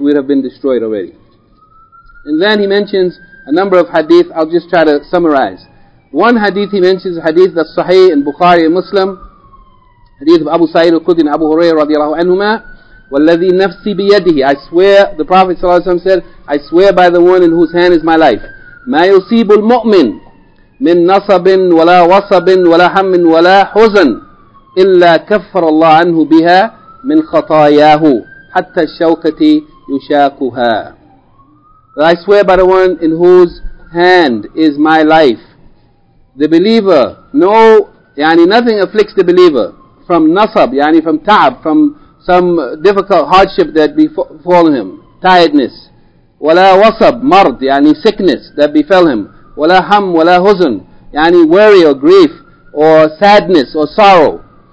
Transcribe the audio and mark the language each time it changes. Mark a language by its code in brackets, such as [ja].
[en] We'd have been destroyed already. And then He mentions a number of hadith. I'll just try to summarize. One hadith He mentions, hadith that's sahih in Bukhari and Muslim, hadith of Abu Sa'id al-Khudri and Abu Hurairah radiallahu anhumah, [ar] والذي نفسي بيده. [en] I swear, the Prophet ﷺ said, I swear by the one in whose hand is my life. [ar] ما يصيب المؤمن من نصب ولا وصب ولا هم ولا حزن إلا كفر الله عنه بها من خطاياه حتى الشوكة يشاكها. [en] I swear by the one in whose hand is my life. The believer, no, يعني nothing afflicts the believer from nasab, يعني from ta'ab, from some difficult hardship that befall him, tiredness. [ar] ولا وصب مرض يعني [en] sickness that befell him. [ar] ولا هم ولا حزن يعني [en] worry or grief or sadness or sorrow.